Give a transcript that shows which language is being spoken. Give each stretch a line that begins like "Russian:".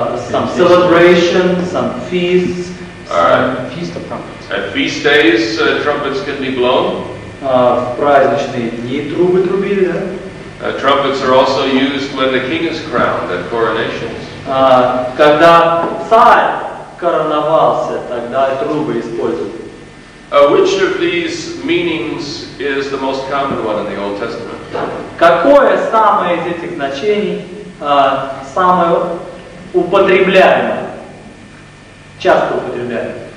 English: Some celebration, some feasts, feast of trumpets. At feast days, trumpets can be blown.
Russian: В праздничные дни трубы трубили, да?
English: Trumpets are also used when the king is crowned at coronations.
Russian: Когда царь короновался, тогда трубы использовали.
English: Which of these meanings is the most common one in the Old Testament?
Russian: Какое самое из этих значений самое употребляемо, часто употребляемо.